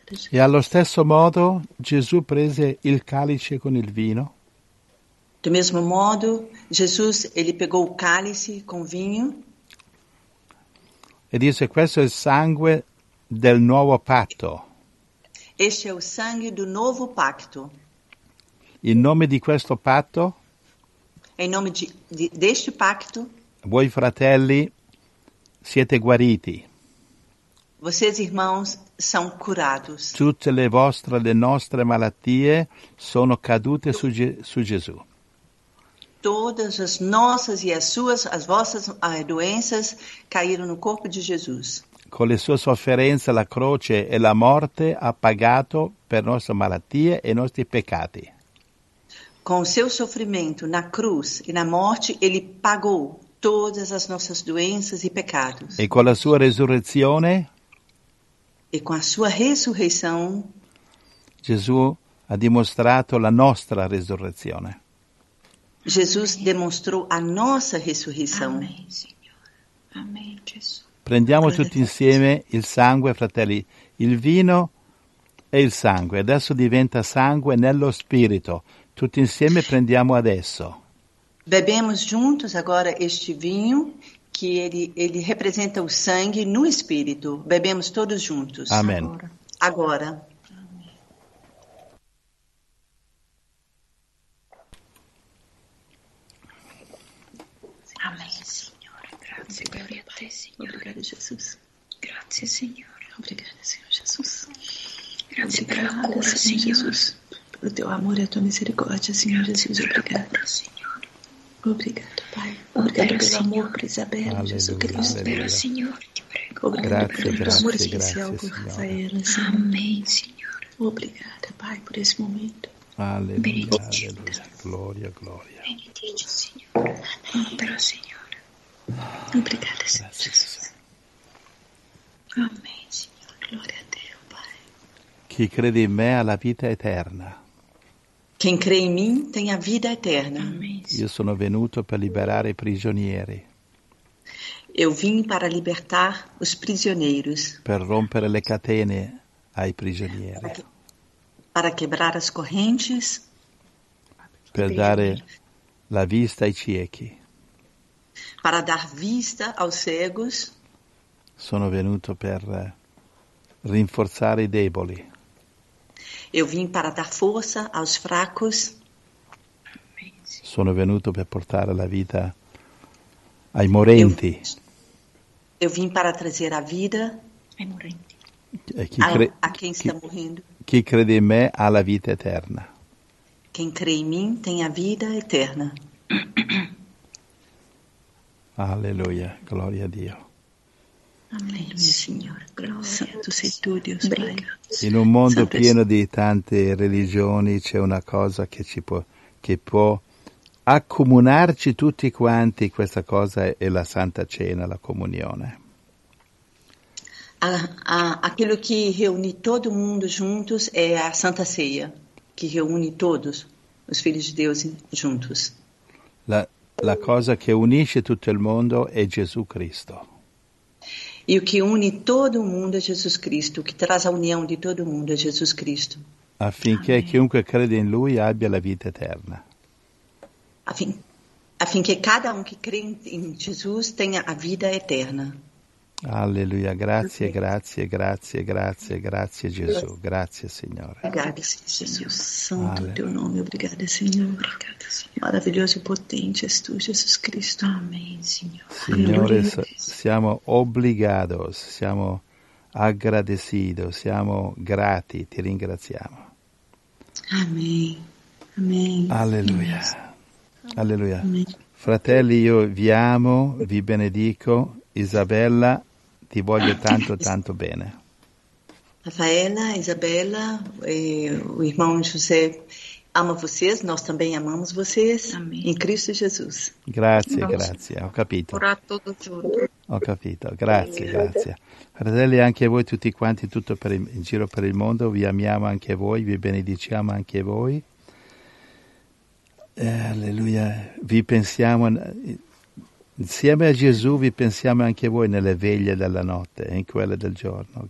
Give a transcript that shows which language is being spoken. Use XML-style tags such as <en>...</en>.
<it>E allo stesso modo Gesù prese il calice con il vino.</it> <pt>Do mesmo modo Gesù ele pegou o cálice com vinho.</pt> <it>E disse questo è il sangue del nuovo patto.</it> <pt>Este</pt> <it>è il</it> <pt>sangue do novo pacto.</pt> <it>In nome di questo patto.</it> <pt>In nome deste pacto.</pt> <it>Voi fratelli siete guariti.</it> <pt>Vocês irmãos são curados.</pt> <it>Tutte le vostre, le nostre malattie sono cadute su Gesù.</it> <pt>Todas as nossas e as suas, as vossas doenças caíram no corpo de Jesus.</pt> <it>Con le sue sofferenze, la croce e la morte ha pagato per nostre malattie e nostri peccati.</it> <pt>Con seu sofrimento na cruz e na morte, ele pagou todas as nossas doenças e pecados.</pt> <it>E con la sua resurrezione.</it> <pt>E com a sua ressurreição,</pt> <it>Gesù ha dimostrato la nostra resurrezione.</it> <pt>Gesù demonstrou a nossa ressurreição.</pt> <it>Amém, Signore. Amém, Gesù. Prendiamo tutti insieme il sangue, fratelli, il vino e il sangue. Adesso diventa sangue nello spirito. Tutti insieme prendiamo adesso.</it> <pt>Bebemos juntos agora este vinho. Que ele representa o sangue no espírito. Bebemos todos juntos. Amém. Agora. Amém, Senhor. Graças, glória a Ti, Senhor. Obrigado, Jesus. Graças, Senhor. Obrigado, Senhor Jesus. Graças pela cura, Senhor Jesus. Pelo Teu amor e a Tua misericórdia, Senhor Jesus. Obrigado, Senhor. Obrigado, Pai. Obrigado pelo amor por Isabela, Jesus Cristo. Pelo Senhor, te prego. Obrigado pelo amor especial por Rafaela, Senhor. Amém, Senhor. Obrigada, Pai, por esse momento. Aleluia, aleluia. Glória, glória. Bendito, Senhor. Amém, pelo Senhor. Obrigada, Senhor. Amém, Senhor. Glória a Deus, Pai.</pt> <it>Chi crede in me ha la vita eterna.</it> <pt>Quem crê em mim tem a vida eterna.</pt> <it>Io sono venuto per liberare i prigionieri.</it> <pt>Eu vim para libertar os prisioneiros.</pt> <it>Per rompere le catene ai prigionieri.</it> <pt>Para quebrar as correntes.</pt> <it>Per dare la vista ai ciechi.</it> <pt>para dar vista aos cegos.</pt> <it>Sono venuto per rinforzare i deboli.</it> <pt>Eu vim para dar força aos fracos.</pt> <it>Sono venuto per portare la vita ai morenti.</it> <pt>Eu vim para trazer a vida</pt> <it>ai morenti.</it> <pt>A quem está morrendo.</pt> <it>Chi crede in me ha la vita eterna.</it> <pt>Quem crê em mim tem a vida eterna. Aleluia, glória a Deus.</pt> <it>Aleluia, Signore, gloria. Santo sei tu, Dio. In un mondo Santo pieno di tante religioni c'è una cosa che ci può, che può accomunarci tutti quanti, questa cosa è la Santa Cena, la comunione.</it> <pt>Aquilo</pt> <it>che</it> <pt>reúne todo mundo juntos è a Santa Ceia, che reúne todos os filhos de Deus juntos.</pt> <it>La cosa che unisce tutto il mondo è Gesù Cristo.</it> <pt>E o que une todo mundo é Jesus Cristo, o que traz a união de todo mundo é Jesus Cristo.</pt> <it>Affinché chiunque crede in Lui abbia la vita eterna. Affinché</it> <pt>cada um que crê em Jesus tenha a vida eterna.</pt> <it>Aleluia, grazie, grazie, grazie, grazie, grazie Gesù, grazie Signore.</it> <pt>Obrigado, Jesus, santo Aleluia. Teu nome, obrigado, Senhor. Maravilhoso e potente és Tu, Jesus Cristo. Amém, Senhor.</pt> <it>Signore, siamo</it> <pt>obrigados,</pt> <it>siamo</it> <pt>agradecidos,</pt> <it>siamo grati, Ti ringraziamo.</it> <pt>Amém, amém.</pt> <it>Aleluia, alleluia. Fratelli, io vi amo, vi benedico. Isabella, ti voglio tanto, tanto bene.</it> <pt>Rafaela, Isabella, o irmão José ama vocês, nós também amamos vocês. Amém. Em Cristo Jesus.</pt> <it>Grazie,</it> <pt>Nossa.</pt> <it>Grazie, ho capito.</it> <pt>Orar</pt> <it>tutto giorno. Ho capito, grazie, grazie. Fratelli, anche voi tutti quanti, tutto per in giro per il mondo, vi amiamo anche voi, vi benediciamo anche voi. Alleluia, vi pensiamo... Insieme a Gesù vi pensiamo anche voi nelle veglie della notte e in quelle del giorno.</it>